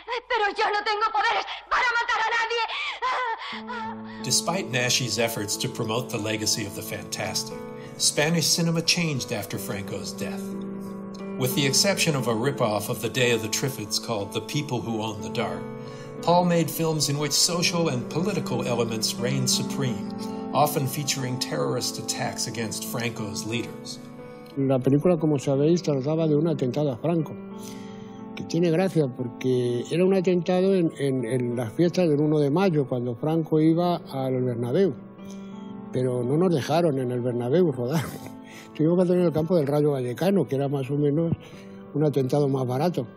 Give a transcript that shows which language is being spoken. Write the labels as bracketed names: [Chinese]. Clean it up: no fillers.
[Spanish] ¡Pero yo no tengo poderes para matar a nadie! [English] Despite Naschy's efforts to promote the legacy of the fantastic, Spanish cinema changed after Franco's death. With the exception of a ripoff of the Day of the Triffids called The People Who Own the Dark, Paul made films in which social and political elements reigned supreme, often featuring terrorist attacks against Franco's leaders. [Spanish] La película, como sabéis, trataba de un atentado a Franco, que tiene gracia porque era un atentado en las fiestas del 1 de mayo, cuando Franco iba al Bernabéu. Pero no nos dejaron en el Bernabéu rodar. Tuvimos que tener el campo del Rayo Vallecano, que era más o menos un atentado más barato.